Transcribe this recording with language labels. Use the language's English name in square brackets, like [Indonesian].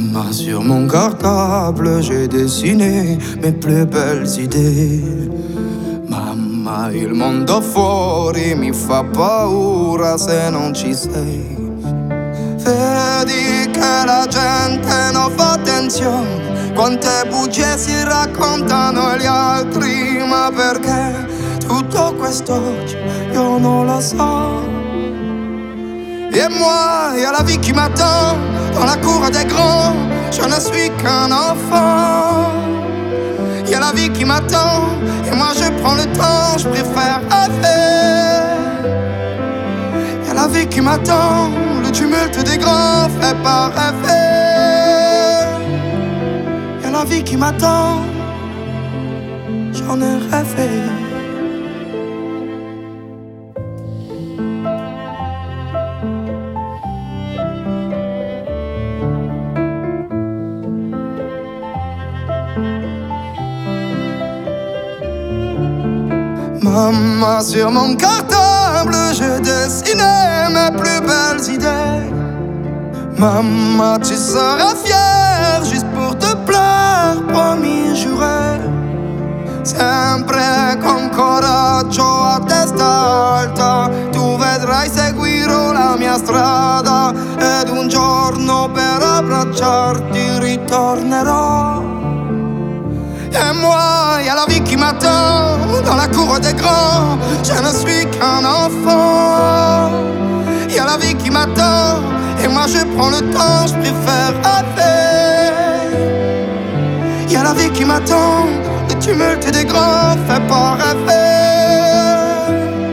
[French] Sur mon cartable, j'ai dessiné mes plus belles idées. [Italian] Mamma, il mondo fuori mi fa paura se non ci sei. Vedi che la gente non fa attenzione, quante bugie si raccontano gli altri, ma perché tutto quest'oggi io non lo so. [French] Et moi, y'a la vie qui m'attend, dans la cour des grands, je ne suis qu'un enfant. Y'a la vie qui m'attend, et moi je prends le temps, je préfère rêver. Y'a la vie qui m'attend, le tumulte des grands fait pas rêver. Y'a la vie qui m'attend, j'en ai rêvé. Mamma, sur mon cartable, je dessinais mes plus belles idées. Mamma, tu seras fière, juste pour te plaire, promis juré. [Italian] Sempre con coraggio a testa alta, tu vedrai, seguirò la mia strada. Ed un giorno per abbracciarti ritornerò. [French] Et moi, y'a la vie qui m'attend, dans la cour des grands, je ne suis qu'un enfant. Y'a la vie qui m'attend, et moi je prends le temps, je préfère rêver. Y'a la vie qui m'attend, le tumulte des grands fait pas rêver.